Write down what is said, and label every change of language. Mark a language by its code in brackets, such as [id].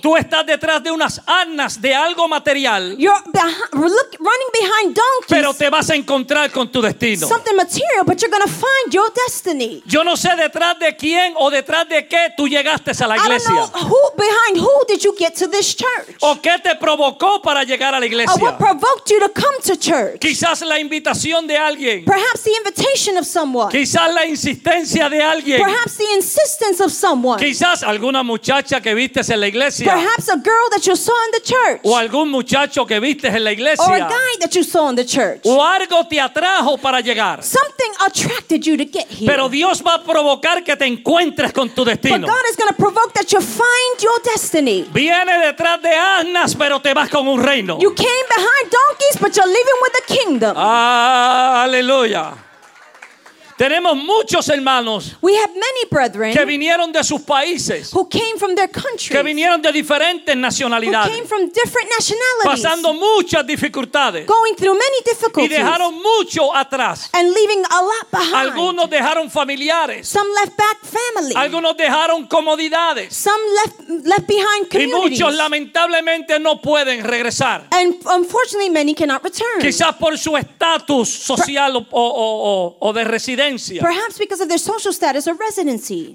[es] Tú estás detrás de unas arnas de algo material. [en] You're running behind donkeys. [es] Pero te vas a encontrar con tu destino. [en] Something material, but you're going to find your destiny. [es] Yo no sé detrás de quién o detrás de qué tú llegaste a la iglesia. [en] I don't know who, behind who did did you get to this church? [es] ¿O qué te provocó para llegar a la iglesia? [en] Or what provoked you to come to church? [es] Quizás la invitación de alguien. [en] Perhaps the invitation of someone. [es] Quizás la insistencia de alguien. [en] Perhaps the insistence of someone. [es] Quizás alguna muchacha que viste en la iglesia. [en] Perhaps a girl that you saw in the church. [es] O algún muchacho que viste en la iglesia. [en] Or a guy that you saw in the church. [es] O algo te atrajo para llegar. [en] Something attracted you to get here. [es] Pero Dios va a provocar que te encuentres con tu destino. [en] But God is going to provoke that you find your destiny. [es] Viene detrás de asnas, pero te vas con un reino. [en] You came behind donkeys, but you're leaving with a kingdom. [es] Ah, aleluya. Tenemos muchos hermanos. [en] We have many brethren [es] que vinieron de sus países. [en] Who came from their countries. [es] Que vinieron de diferentes nacionalidades. [en] Who came from different nationalities. [es] Pasando muchas dificultades. [en] Going through many difficulties. [es] Y dejaron mucho atrás. [en] And leaving a lot behind. [es] Algunos dejaron familiares. [en] Some left back family. [es] Algunos dejaron comodidades. [en] Some left behind communities. [es] Y muchos lamentablemente no pueden regresar. [en] And unfortunately many cannot return. [es] Quizás por su estatus social o de residencia. [en] Perhaps because of their social status or residency.